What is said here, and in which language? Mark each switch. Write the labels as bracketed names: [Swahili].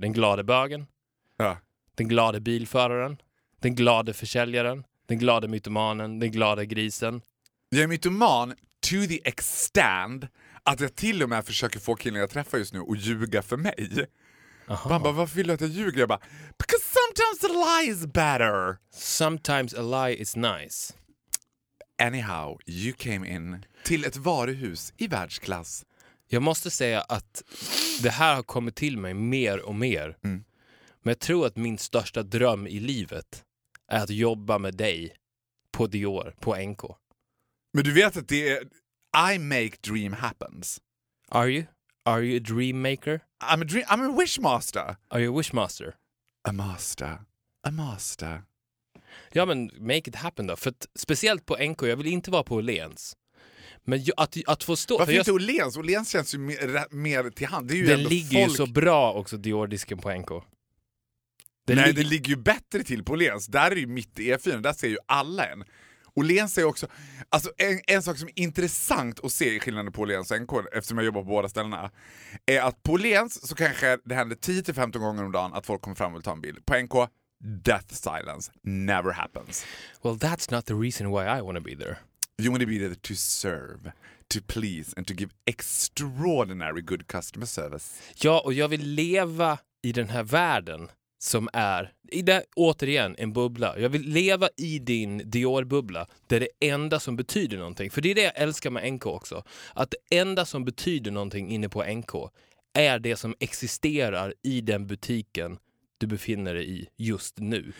[Swedish] Den glada bögen, ja. Den glada bilföraren, den glada försäljaren, den glada mytomanen, den glada grisen. Jag är mytoman [English] to the extent [Swedish] att jag till och med försöker få killen jag träffar just nu att ljuga för mig. Man bara, varför vill du att jag ljuger? Jag bara, [English] because sometimes a lie is better. Sometimes a lie is nice. Anyhow, you came in [Swedish] till ett varuhus i världsklass. Jag måste säga att det här har kommit till mig mer och mer. Mm. Men jag tror att min största dröm i livet är att jobba med dig på Dior, på NK. Men du vet att det är, [English] I make dream happens. Are you? Are you a dream maker? I'm a wishmaster. Are you a wishmaster? A master. A master. [Swedish] Ja, men [English] make it happen [Swedish] då. För speciellt på NK, jag vill inte vara på Lens. Men jag, att få stå... Varför inte Åhléns? Åhléns känns ju mer till hand. Det är ju den ligger folk... ju så bra också, Dior-disken på NK. Den ligger ju bättre till på Åhléns. Där är ju mitt E4, där ser ju alla en. Åhléns är också... Alltså en sak som är intressant att se i skillnaden på Åhléns och NK, eftersom jag jobbar på båda ställena, är att på Åhléns så kanske det händer 10-15 gånger om dagen att folk kommer fram och vill ta en bild. [English] På NK, death silence. Never happens. Well, that's not the reason why I want to be there. You want to be there to serve, to please and to give extraordinary good customer service. [Swedish] Ja, och jag vill leva i den här världen som är, i det, återigen, en bubbla. Jag vill leva i din Dior-bubbla, där det enda som betyder någonting. För det är det jag älskar med NK också. Att det enda som betyder någonting inne på NK är det som existerar i den butiken du befinner dig i just nu.